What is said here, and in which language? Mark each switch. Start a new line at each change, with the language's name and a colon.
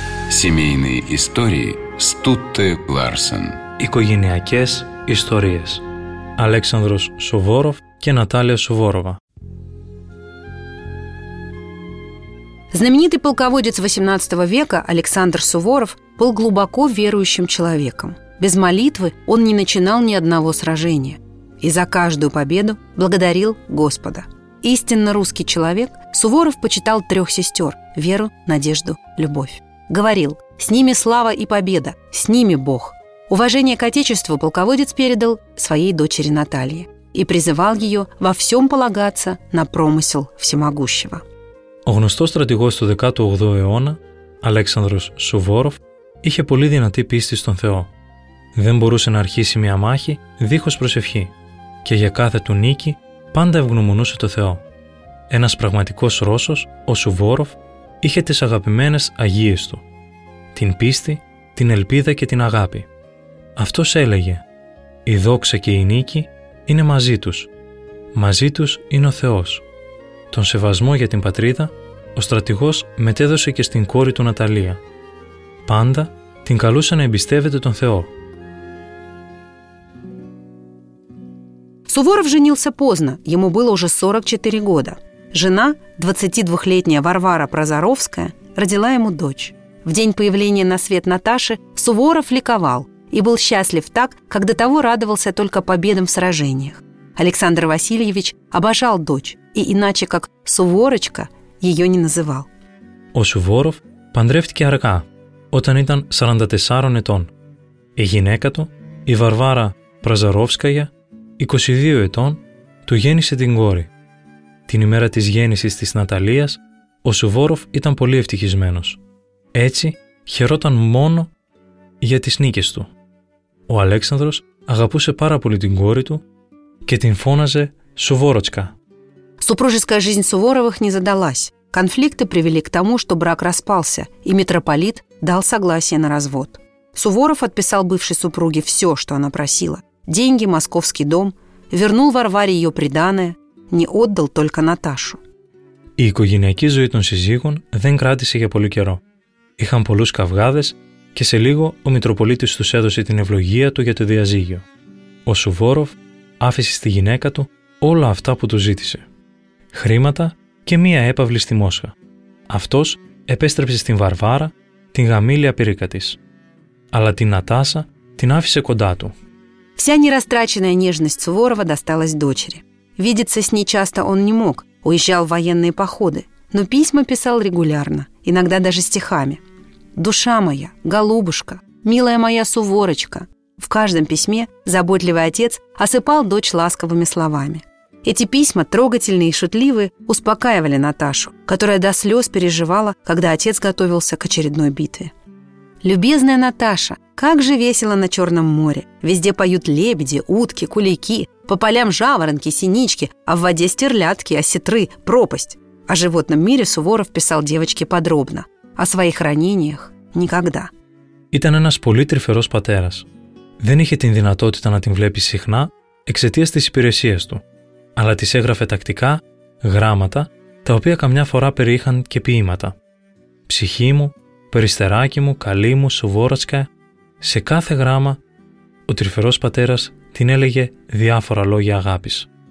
Russian: Семейные истории Стутте Ларсен.
Greek: Οικογενειακές ιστορίες. Αλέξανδρος Σουβόροφ και Наталья Суворова.
Russian: Знаменитый полководец XVIII века Александр Суворов был глубоко верующим человеком. Без молитвы он не начинал ни одного сражения. И за каждую победу благодарил Господа. Истинно русский человек, Суворов почитал трех сестер – веру, надежду, любовь. Говорил: «С ними слава и победа, с ними Бог». Уважение к Отечеству полководец передал своей дочери Наталье и призывал ее во всем полагаться на промысел всемогущего.
Greek: Ο γνωστός στρατηγός του 18ου αιώνα, Αλέξανδρος Σουβόροφ, είχε πολύ δυνατή πίστη στον Θεό. Δεν μπορούσε να αρχίσει μια μάχη δίχως προσευχή και για κάθε του νίκη πάντα ευγνωμονούσε το Θεό. Ένας πραγματικός Ρώσος, ο Σουβόροφ, είχε τις αγαπημένες αγίες του. Την πίστη, την ελπίδα και την αγάπη. Αυτός έλεγε: «Η δόξα και η νίκη είναι μαζί τους. Μαζί τους είναι ο Θεός». Τον σεβασμό για την πατρίδα, ο στρατηγός μετέδωσε και στην κόρη του Ναταλία. Πάντα την καλούσε να εμπιστεύεται τον Θεό.
Russian: Суворов женился поздно, ему было уже 44 года. Жена, 22-летняя Варвара Прозоровская, родила ему дочь. В день появления на свет Наташи Суворов ликовал и был счастлив так, как до того радовался только победам в сражениях. Александр Васильевич обожал дочь и иначе как Суворочка ее не называл.
Greek: Ο Суворов παντρεύτηκε αργά, όταν ήταν 44 ετών. Η γυναίκα του, η Βαρβάρα Πραζαρόφσκαγια, 22 ετών, του γέννησε την κόρη. Την ημέρα της γέννησης της Ναταλίας, ο Σουβόροφ ήταν πολύ ευτυχισμένος. Έτσι, χαιρόταν μόνο για τις νίκες του. Ο Αλέξανδρος αγαπούσε πάρα πολύ την κόρη του και την φώναζε Σουβόροτσκα.
Russian: Супружеская жизнь Суворовых не задалась. Конфликты привели к тому, что брак распался, и митрополит дал согласие на развод. Суворов отписал бывшей супруге все, что она просила. Деньги, московский дом, вернул Варваре ее приданое, не отдал только Наташу.
Greek: Η οικογενειακή ζωή των συζύγων δεν κράτησε για πολύ καιρό. είχαν πολλούς καυγάδες και σε λίγο ο Μητροπολίτης τους έδωσε την ευλογία του για το διαζύγιο. Ο Σουβόροφ άφησε στη γυναίκα του όλα αυτά που του ζήτησε. Χρήματα και μία έπαυλη στη Μόσχα. Αυτός επέστρεψε στην Βαρβάρα, την γαμήλια πυρίκα της. Αλλά την Νατάσα την άφησε κοντά του.
Russian: Вся нерастраченная нежность Суворова досталась дочери. Видеться с ней часто он не мог, уезжал в военные походы, но письма писал регулярно, иногда даже стихами. «Душа моя, голубушка, милая моя Суворочка». В каждом письме заботливый отец осыпал дочь ласковыми словами. Эти письма, трогательные и шутливые, успокаивали Наташу, которая до слез переживала, когда отец готовился к очередной битве. «Любезная Наташа, как же весело на Черном море! Везде поют лебеди, утки, кулики, по полям жаворонки, синички, а в воде стерлядки, осетры, пропасть!» О животном мире Суворов писал девочке подробно. О своих ранениях – никогда.
Greek: Ήταν ένας πολύ τρυφερός πατέρας. Δεν είχε την δυνατότητα να την βλέπει συχνά εξαιτίας της υπηρεσίας του, αλλά της έγραφε τακτικά, γράμματα, τα οποία καμιά φορά περιείχαν και ποίηματα. «Ψυχή μου», «Περιστεράκι μου», «Καλή μου», «Σουβόρατσκα», σε κάθε γράμμα ο τρυφερός πατέρας την έλεγε διάφορα λόγια αγάπης.